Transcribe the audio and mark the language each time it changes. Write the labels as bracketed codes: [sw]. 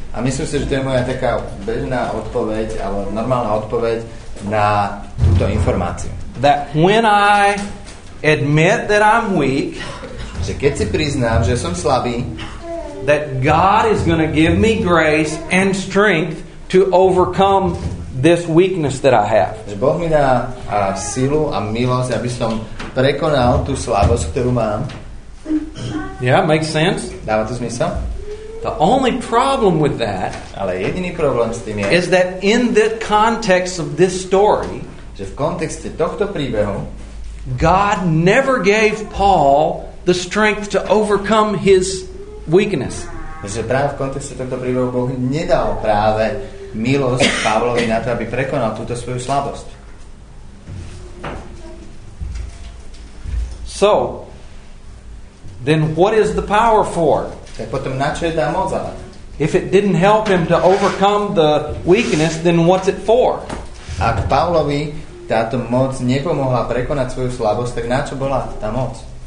[sk] A myslím si, že to je moja taká bežná odpoveď, alebo normálna odpoveď na túto informáciu. [en] That when I admit that I'm weak, [sk] že keď si priznám, že som slabý, [en] that God is going to give me grace and strength to overcome this weakness that I have. [sk] Že Boh mi dá silu a milosť, aby som prekonal tú slabosť, ktorú mám. [en] Yeah, makes sense. [sk] Dáva to zmysel? [en] The only problem with that, [sk] ale jediný problém s tým je, [en] is that in the context of this story, [sk] že v kontexte tohto príbehu, [en] God never gave Paul the strength to overcome his weakness. [sk] Že práve v kontexte tohto príbehu Boh nedal práve milosť Pavlovi na to, aby prekonal túto svoju slabosť. [en] So, then what is the power for? [sk] Tak potom na čo je tá moc? [en] If it didn't help him to overcome the weakness, then what's it for? [sk] Ak Pavlovi táto moc nepomohla prekonať svoju slabosť, tak na čo bola tá moc?